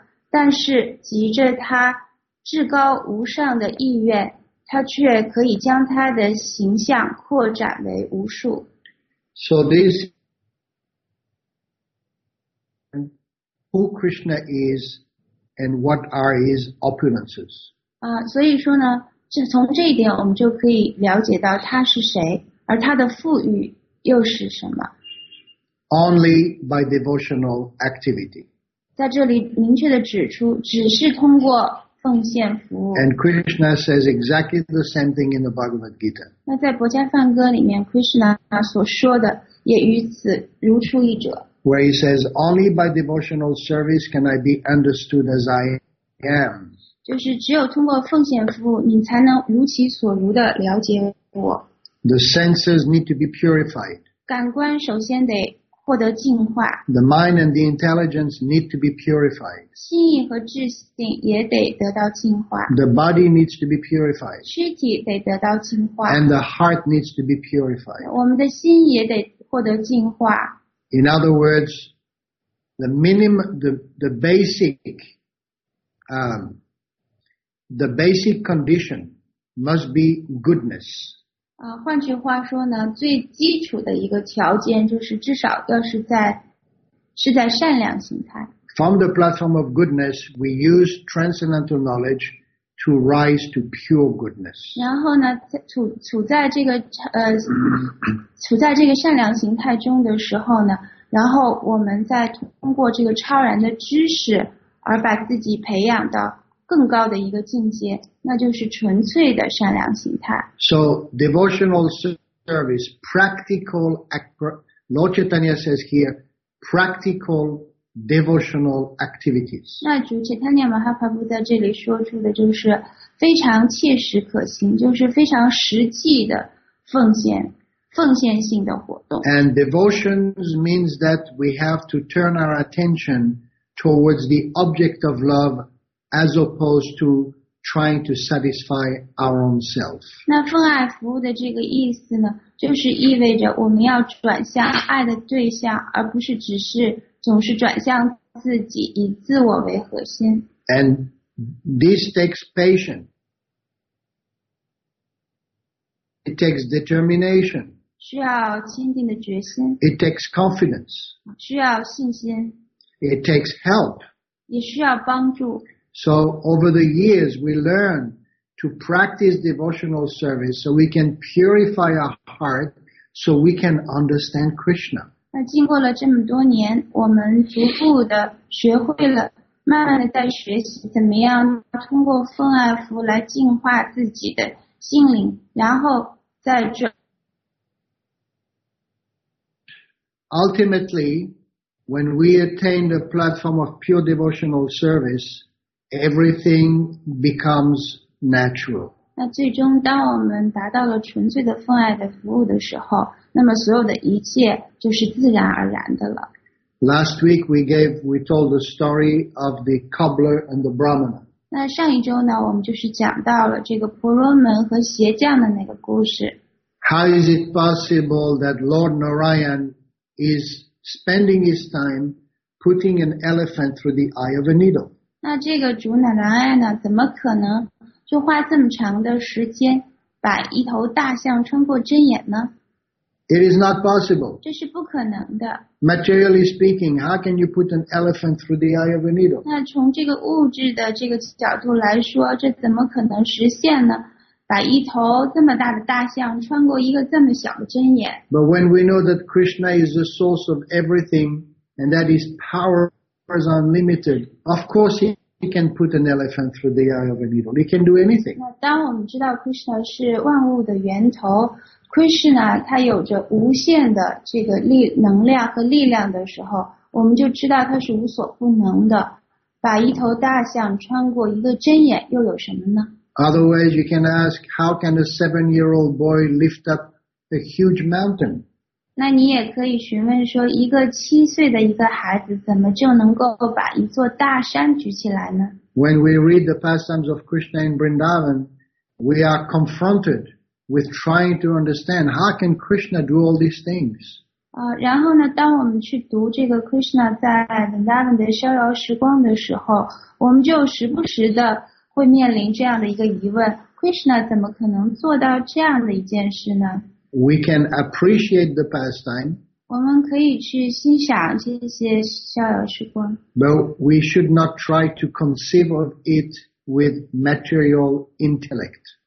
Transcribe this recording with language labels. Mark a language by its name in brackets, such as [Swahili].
[Chinese] 但是急着他至高无上的意愿。他却可以将他的形象扩展为无数。 [English] So this, who Krishna is and what are his opulences? [Chinese] 所以说呢，这从这一点我们就可以了解到他是谁，而他的富裕又是什么。 [English] Only by devotional activity. [Chinese] 在这里明确的指出，只是通过 [English] And Krishna says exactly the same thing in the Bhagavad Gita. [Chinese] 那在博迦梵歌里面 ，Krishna 所说的也与此如出一辙。 [English] Where he says, "Only by devotional service can I be understood as I am." [Chinese] 就是只有通过奉献服务，你才能如其所如的了解我。 [English] The senses need to be purified. [Chinese] 感官首先得获得净化。 [English] The mind and the intelligence need to be purified. [Chinese] 心意和智性也得得到净化。 [English] The body needs to be purified. [Chinese] 躯体得得到净化。 [English] And the heart needs to be purified. [Chinese] 我们的心也得获得净化。 [English] In other words, the basic condition must be goodness. [Chinese] 换句话说呢，最基础的一个条件就是至少要是在善良心态。 [English] From the platform of goodness, we use transcendental knowledge to rise to pure goodness. [Chinese] 然后呢，处在这个善良心态中的时候呢，然后我们再通过这个超然的知识而把自己培养到更高的一个境界，那就是纯粹的善良心态。 [English] So devotional service, practical, Lord Chaitanya says here, practical devotional activities. [Chinese] 那主 Chaitanya Mahaprabhu 在这里说出的就是非常切实可行，就是非常实际的奉献性的活动。 [English] And devotions means that we have to turn our attention towards the object of love. As opposed to trying to satisfy our own self. [Chinese] 那奉爱服务的这个意思呢，就是意味着我们要转向爱的对象，而不是只是总是转向自己，以自我为核心。 [English] And this takes patience. It takes determination. [Chinese] 需要坚定的决心。 [English] It takes confidence. [Chinese] 需要信心。 [English] It takes help. [Chinese] 也需要帮助。 [English] So over the years, we learn to practice devotional service so we can purify our heart so we can understand Krishna. [Chinese] 那经过了这么多年，我们逐步的学会了，慢慢的在学习怎么样通过奉爱服来净化自己的心灵，然后再转。 [English] Ultimately, when we attain the platform of pure devotional service,Everything becomes natural. [Chinese] 那最终当我们达到了纯粹的奉爱的服务的时候，那么所有的一切就是自然而然的了。 [English] Last week we told the story of the cobbler and the brahmana. [Chinese] 那上一周呢，我们就是讲到了这个婆罗门和鞋匠的那个故事。 [English] How is it possible that Lord Narayan is spending his time putting an elephant through the eye of a needle? [Chinese] 那这个主乃兰爱呢，怎么可能就花这么长的时间把一头大象穿过针眼呢？ [English] It is not possible. [Chinese] 这是不可能的。 [English] Materially speaking, how can you put an elephant through the eye of a needle? [Chinese] 那从这个物质的这个角度来说，这怎么可能实现呢？把一头这么大的大象穿过一个这么小的针眼。 [English] But when we know that Krishna is the source of everything and that is power,Is unlimited. Of course, he can put an elephant through the eye of a needle. He can do anything. [Chinese] 那当我们知道 Krishna 是万物的源头 ，Krishna 他有着无限的这个力能量和力量的时候，我们就知道他是无所不能的。把一头大象穿过一个针眼又有什么呢 [English] ？Otherwise, you can ask, how can a seven-year-old boy lift up a huge mountain? [Chinese] 那你也可以询问说，一个七岁的一个孩子怎么就能够把一座大山举起来呢 [English] ？When we read the pastimes of Krishna in Vrindavan, we are confronted with trying to understand how can Krishna do all these things. [Chinese] 然后呢，当我们去读这个 Krishna 在 Vrindavan 的逍遥时光的时候，我们就时不时的会面临这样的一个疑问 ：Krishna 怎么可能做到这样的一件事呢？ [English] We can appreciate the pastime. [Chinese] 我们可以去欣赏这些逍遥时光。 [English] But we should not try to conceive of it with material intellect.